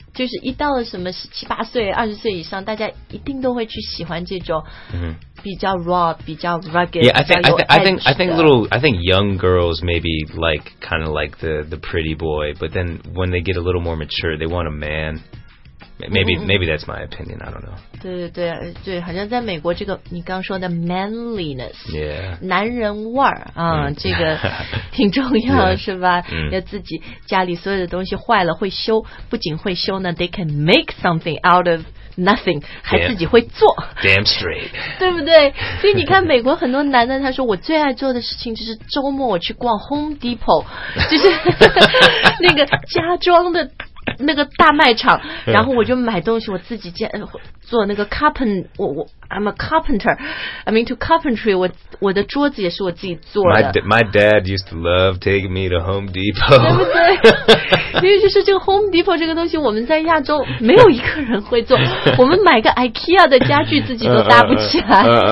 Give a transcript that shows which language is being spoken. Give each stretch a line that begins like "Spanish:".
Chinese: 就是一到了什么十七八岁、二十岁以上，大家一定都会去喜欢这种比较 raw、比较 rugged。
English: Yeah, I think young girls maybe like kind of like the pretty boy, but then when they get a little more mature, they want a man. Maybe that's my opinion. I don't know.
Chinese: 对对对对，好像在美国这个你刚说的 manliness，
English: yeah，
Chinese: 男人味儿啊、这个挺重要
English: yeah,
Chinese: 是吧？要自己家里所有的东西坏了会修，不仅会修呢 ，
English: they can make something out of nothing， damn,
Chinese: 还自己会做。
English: Damn straight，
Chinese: 对不对？所以你看美国很多男的，他说我最爱做的事情就是周末我去逛 Home Depot， 就是那个家装的。那个大卖场然后我就买东西我自己做那个
English: I'm a carpenter I mean to carpentry
Chinese: 我的桌子也是我自己做的
English: my dad used to love taking me to Home Depot
Chinese: 对不对因为就是这个 Home Depot 这个东西我们在亚洲没有一个人会做我们买个 IKEA 的家具自己都搭不起来